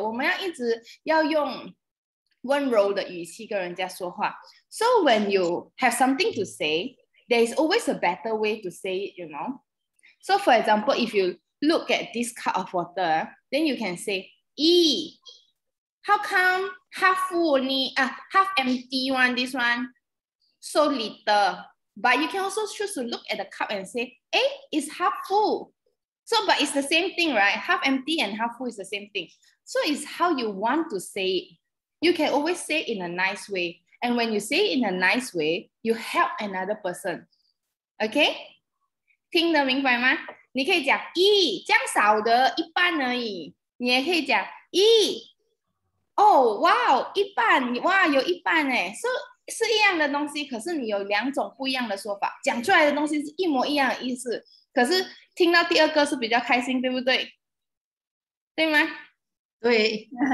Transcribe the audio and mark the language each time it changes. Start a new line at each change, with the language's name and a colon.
Chinese: 我们要一直要用温柔的语气跟人家说话.
English: So when you have something to say, there is always a better way to say it, you know? So for example, if you look at this cup of water, then you can say, "Ee, how come half full only, half empty one, this one, so little?" But you can also choose to look at the cup and say, "Hey, it's half full." So, but it's the same thing, right? Half empty and half full is the same thing. So it's how you want to say it. You can always say it in a nice way. And when you say it in a nice way, you help another person.
Chinese: Okay? 听得明白吗? 你可以讲,咦,这样少的一半而已。你也可以讲,咦,哦,哇,一半,哇,有一半耶。So, 是一样的东西，可是你有两种不一样的说法，讲出来的东西是一模一样的意思。可是听到第二个是比较开心，对不对？对吗？对。